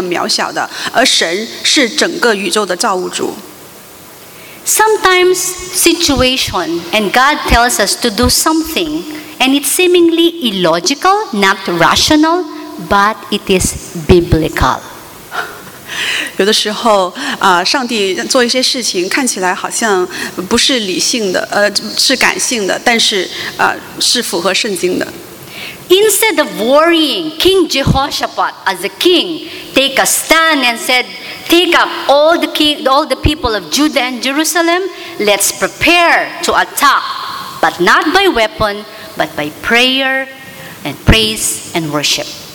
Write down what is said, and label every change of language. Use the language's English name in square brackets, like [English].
[Chinese] 当我们仰望星空的时候，其实我们发现我们地球，我们的人是非常的渺小的，而神是整个宇宙的造物主。 [English] Sometimes situation and God tells us to do something and it's seemingly illogical, not rational, but it is biblical. [Chinese] 有的时候，上帝做一些事情看起来好像不是理性的，是感性的，但是是符合圣经的。 [English] Instead of worrying, King Jehoshaphat, as a king, take a stand and said, take up all the people of Judah and Jerusalem, let's prepare to attack, but not by weapon, but by prayer and praise and worship.